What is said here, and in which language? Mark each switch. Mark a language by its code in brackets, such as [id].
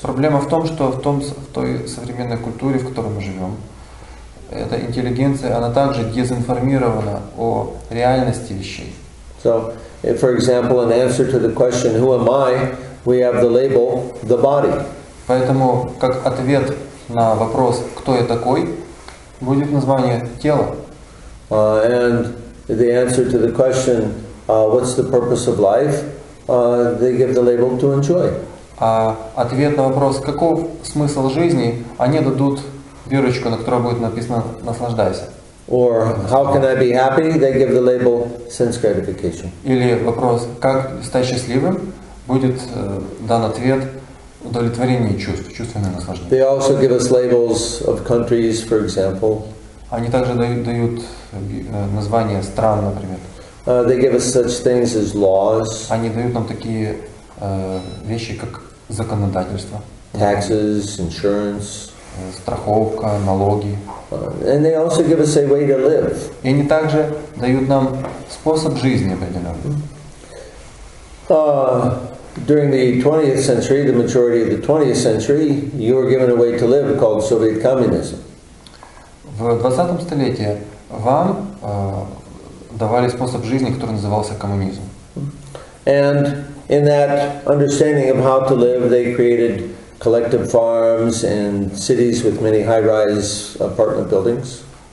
[ru] Проблема в том, что в той современной культуре, в которой мы живем, эта интеллигенция, она также дезинформирована о реальности вещей. [en] So, if, for example, in answer to the question, who am I, we have the label, the body. [ru] Поэтому, как ответ на вопрос, кто я такой, будет название тело. [en] And the answer to the question, what's the purpose of life, they give the label to enjoy. [ru] А ответ на вопрос, каков смысл жизни, они дадут бирочку, на которой будет написано «наслаждайся». [en] Or how can I be happy? They give the label sense gratification. [ru] Или вопрос, как стать счастливым, будет дан ответ удовлетворение чувств, чувственное наслаждение. [en] They also give us labels of countries, for example. [ru] Они также дают названия стран, например. [en] They give us such things as laws. [ru] Они дают нам такие вещи, как законодательство. [en] Taxes, insurance. [ru] Страховка, налоги. [en] And they also give us a way to live. [ru] И они также дают нам способ жизни определенный. [en] During the 20th century, the majority of the 20th century, you were given a way to live called Soviet communism. [ru] В 20-м столетии вам давали способ жизни, который назывался коммунизм. [en] And in that understanding of how to live, they created collective farms and cities with many high-rise apartment buildings.